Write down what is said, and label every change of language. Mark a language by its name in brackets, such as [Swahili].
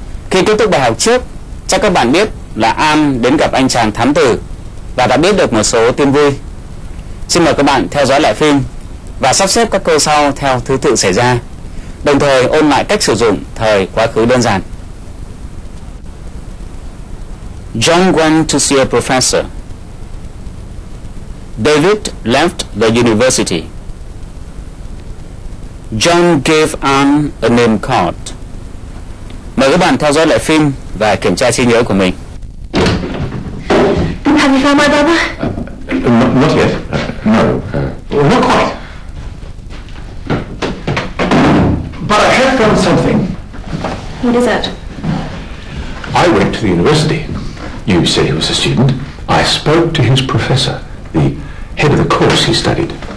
[Vietnamese] Khi kết thúc bài học trước, chắc các bạn biết là An đến gặp anh chàng thám tử và đã biết được một số tin vui. Xin mời các bạn theo dõi lại phim và sắp xếp các câu sau theo thứ tự xảy ra, đồng thời ôn lại cách sử dụng thời quá khứ đơn giản. [English] John went to see a professor. David left the university. John gave Anne a name card. [Vietnamese] Mời các bạn theo dõi lại phim và kiểm tra trí nhớ của mình. [English] Have you found my brother? Not yet. No. Not quite. But I have found something. What is it? I went to the university. You said he was a student. I spoke to his professor, the head of the course he studied.